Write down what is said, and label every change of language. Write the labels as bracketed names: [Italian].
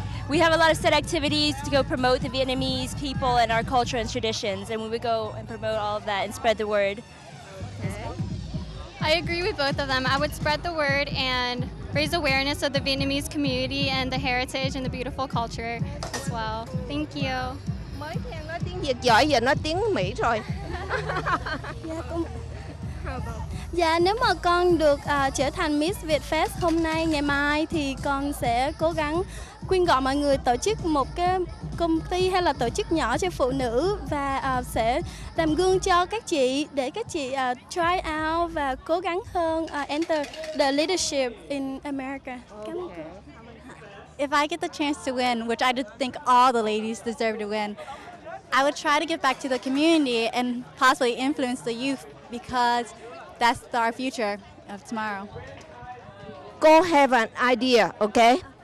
[English] We have a lot of set activities to go promote the Vietnamese people and our culture and traditions, and we would go and promote all of that and spread the word. I agree with both of them. I would spread the word and raise awareness of the Vietnamese community and the heritage and the beautiful culture as well. Thank you. [Vietnamese] Mới theo nói tiếng Việt giỏi, giờ nói tiếng Mỹ rồi. Dạ, con... dạ, nếu mà con được trở thành Miss Việt Fest hôm nay, ngày mai thì con sẽ cố gắng quyên gọi mọi người tổ chức một cái công ty hay là tổ chức nhỏ cho phụ nữ và sẽ làm gương cho các chị để các chị try out và cố gắng hơn enter the leadership in America. Okay. Cảm ơn cô. [English] If I get the chance to win, which I think all the ladies deserve to win, I would try to give back to the community and possibly influence the youth, because that's our future of tomorrow. Go have an idea, okay?